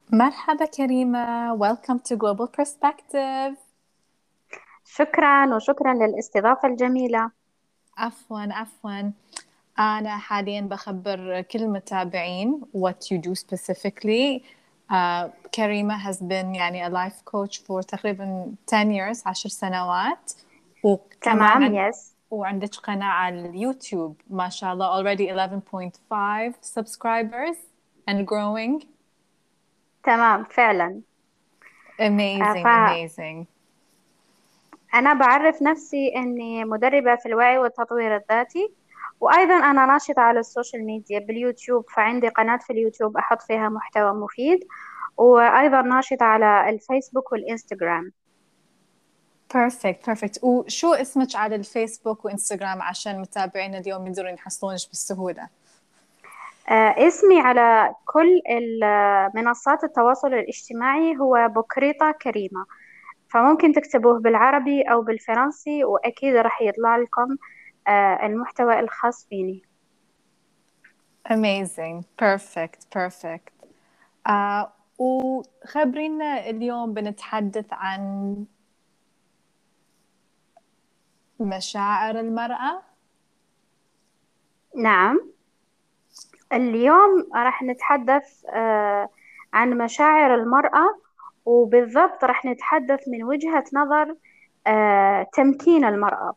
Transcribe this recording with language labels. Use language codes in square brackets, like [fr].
[ar] مرحبا [en] كريمة، Welcome to Global Perspective. [ar] شكرا وشكرا للاستضافة الجميلة. عفوا عفوا، أنا حاليا بخبر كل المتابعين [en] what you do specifically. [ar] كريمة has been يعني a life coach for تقريبا 10 years، 10 سنوات، وكمان تمام، [en] Yes. [ar] وعندك قناة على اليوتيوب ما شاء الله [en] already 11.5 subscribers and growing. [ar] تمام فعلا. [en] Amazing, amazing. [ar] أنا بعرف نفسي أني مدربة في الوعي والتطوير الذاتي، وأيضا أنا ناشطة على السوشيال ميديا باليوتيوب، فعندي قناة في اليوتيوب أحط فيها محتوى مفيد، وأيضا ناشطة على الفيسبوك والإنستغرام. [en] Perfect, perfect. [ar] وشو اسمك على الفيسبوك وإنستغرام عشان متابعين اليوم يقدرون يحصلونش بالسهولة؟ اسمي على كل منصات التواصل الاجتماعي هو بوكريطا كريمة، فممكن تكتبوه بالعربي أو بالفرنسي وأكيد راح يطلع لكم المحتوى الخاص فيني. [en] Amazing, perfect, perfect. [ar] وخبرينا اليوم بنتحدث عن مشاعر المرأة. نعم، اليوم راح نتحدث عن مشاعر المرأة، وبالضبط راح نتحدث من وجهة نظر تمكين المرأة.